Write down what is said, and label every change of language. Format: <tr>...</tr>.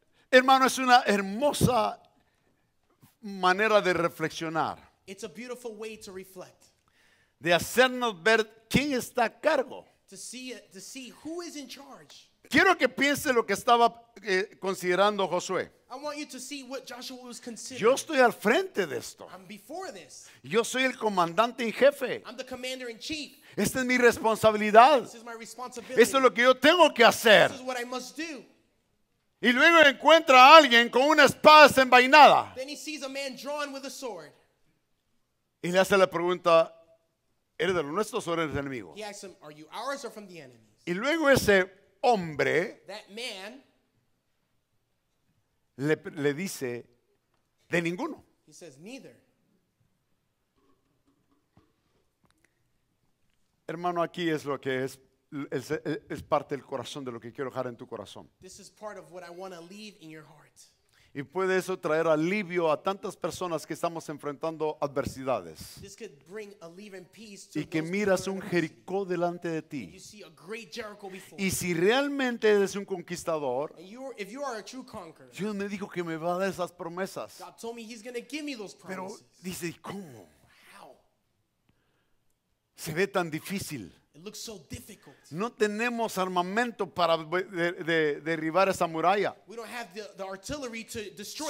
<es>Hermano, es una hermosa manera de reflexionar.</es> <en>It's a beautiful way to reflect.</en> <es>De hacernos ver quién está a cargo.</es> <en>To see who is in charge.</en> <es>Quiero que piense lo que estaba considerando Josué.</es> <en>I want you to see what Joshua was considering.</en> <es>Yo estoy al frente de esto.</es> <en>I'm before this.</en> <es>Yo soy el comandante en jefe.</es> <en>I'm the commander in chief.</en> <es>Esta es mi responsabilidad.</es> <en>This is my responsibility.</en> <es>Esto es lo que yo tengo que hacer.</es> <en>This is what I must do.</en> <es>Y luego encuentra a alguien con una espada desenvainada.</es> <en>Then he sees a man drawn with a sword.</en> <es>Y le hace la pregunta, ¿eres de los nuestros o eres del enemigo?</es> <en>He asked him, are you ours or from the enemy?</en> <es>Y luego ese hombre,</es> <en>that man,</en> <es>le dice, de ninguno.</es> <en>He says, neither.</en> <es>Hermano, aquí es lo que es parte del corazón de lo que quiero dejar en tu corazón.</es> <en>This is part of what I want to leave in your heart.</en> <es>Y puede eso traer alivio a tantas personas que estamos enfrentando adversidades.</es> <en>This could bring relief and peace to</en> <es>y que miras un Jericó delante de ti.</es> <en>You see a great Jericho before.</en> <es>Y si realmente eres un conquistador,</es> <en>if you are a true conqueror,</en> <es>Dios me dijo que me va a dar esas promesas.</es> <en>God told me he's gonna give me those promises.</en> <es>Pero dice, ¿cómo? Se ve tan difícil.</es> <en>It looks so difficult.</en> <es>No tenemos armamento para derribar esa muralla.</es> <en>We don't have the artillery to destroy.</en>